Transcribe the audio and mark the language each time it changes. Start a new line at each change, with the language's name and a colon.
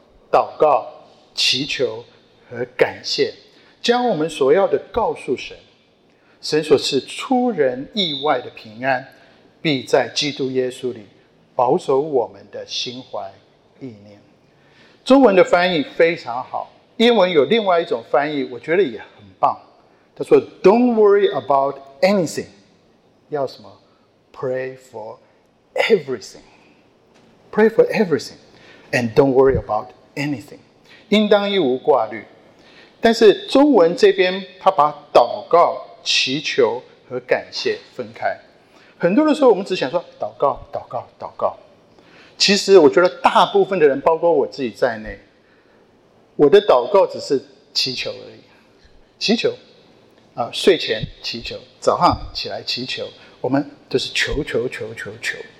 Chinese: 祷告、祈求和感谢，将我们所要的告诉神，神所赐出人意外的平安，必在基督耶稣里保守我们的心怀意念。中文的翻译非常好，英文有另外一种翻译，我觉得也很棒。他说
English: Don't worry about anything.
Chinese: 要什么？
English: Pray for everything. Pray for everything. And don't worry about anything.
Chinese: 应当一无挂虑。但是中文这边他把祷告、祈求和感谢分开。很多的时候我们只想说祷告祷告祷告，其实我觉得大部分的人包括我自己在内，我的祷告只是祈求而已，祈求啊，睡前祈求，早上起来祈求，我们都是求求求求求。